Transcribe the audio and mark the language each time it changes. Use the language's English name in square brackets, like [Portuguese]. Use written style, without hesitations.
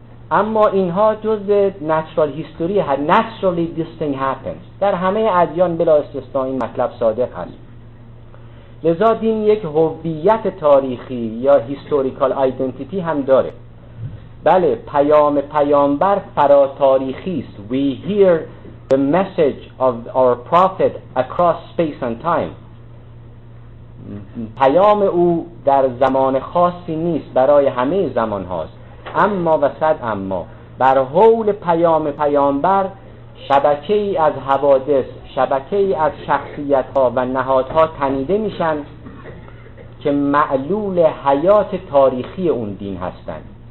[Persian] اما اینها جزء natural history هست، [English] naturally this thing happens. [Persian] در همه ادیان بلا استثناء این مطلب صادق هست. لذا دین یک هویت تاریخی یا historical identity هم داره. بله، پیام پیامبر فراتاریخی است. [English] We hear the message of our prophet across space and time. [Persian] پیام او در زمان خاصی نیست، برای همه زمان هاست. اما و صد اما، بر حول پیام پیامبر شبکه‌ای از حوادث، شبکه‌ای از شخصیت‌ها و نهادها تنیده میشن که معلول حیات تاریخی اون دین هستند.